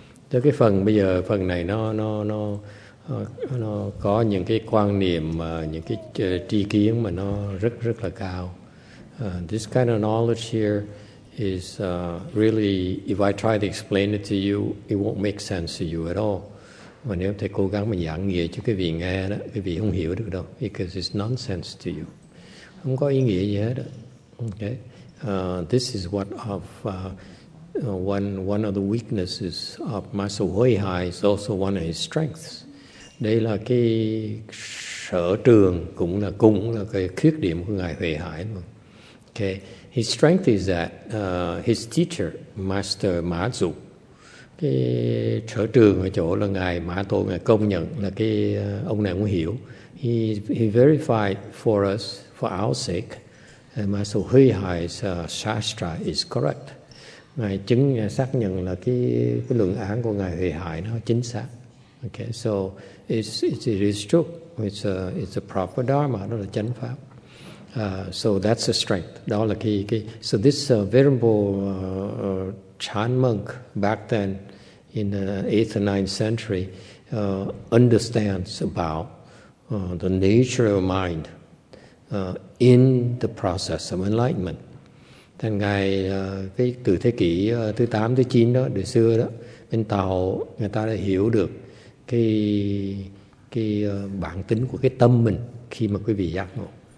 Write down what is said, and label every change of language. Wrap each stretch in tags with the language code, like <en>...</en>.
<vi>Tới cái phần bây giờ phần này nó có những cái quan niệm những cái tri kiến mà nó rất rất là cao.</vi> <en>This kind of knowledge here is really, if I try to explain it to you, it won't make sense to you at all.</en> <vi>Mà nếu thầy cố gắng mà giảng nghĩa cho quý vị nghe đó, quý vị không hiểu được đâu,</vi> <en>because it's nonsense to you.</en> <vi>Không có ý nghĩa gì hết. Okay.</vi> <en>This is what of one of the weaknesses of Master Huệ Hải is also one of his strengths.</en> <vi>Đây là cái sở trường cũng là cái khuyết điểm của ngài Huệ Hải mà. Okay.</vi> <en>His strength is that his teacher, Master Ma Zu,</en> <vi>cái sở trường ở chỗ là ngài Ma Tô, ngài công nhận là cái ông này cũng hiểu.</vi> <en>He verified for us, for our sake, Master Huệ Hải's Shastra is correct.</en> <vi>Ngài chứng xác nhận là cái luận án của ngài Huệ Hải nó chính xác.</vi> <en>Okay, so it is true. It's a proper dharma,</en> <vi>đó là chánh pháp.</vi> <en>So that's a strength.</en> <vi>Đó là cái.</vi> <en>So this Venerable Chan monk back then in the 8th or 9th century understands about the nature of mind in the process of enlightenment.</en> <vi>Thì ngài cái từ thế kỷ thứ 8, thứ 9 đó, đời xưa đó, bên Tàu người ta đã hiểu được cái bản tính của cái tâm mình khi mà quý vị giác ngộ.</vi>